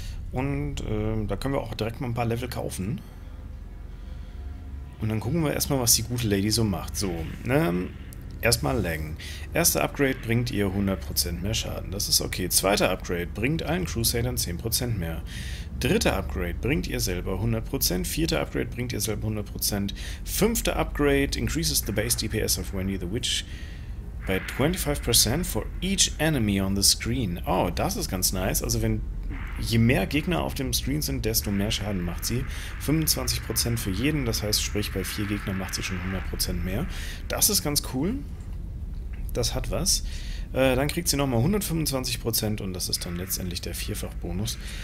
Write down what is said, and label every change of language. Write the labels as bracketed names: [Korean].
[German] Und da können wir auch direkt mal ein paar Level kaufen. Und dann gucken wir erstmal, was die gute Lady so macht. So, erstmal laggen. Erster Upgrade bringt ihr 100% mehr Schaden. Das ist okay. Zweiter Upgrade bringt allen Crusadern 10% mehr. Dritter Upgrade bringt ihr selber 100%. Vierter Upgrade bringt ihr selber 100%. Fünfter Upgrade [English] increases the base DPS of Wendy the Witch by 25% for each enemy on the screen. [German] Oh, das ist ganz nice. Also wenn je mehr Gegner auf dem Screen sind, desto mehr Schaden macht sie. 25% für jeden, das heißt, sprich, bei 4 Gegnern macht sie schon 100% mehr. Das ist ganz cool. Das hat was. Dann kriegt sie nochmal 125% und das ist dann letztendlich der Vierfach-Bonus.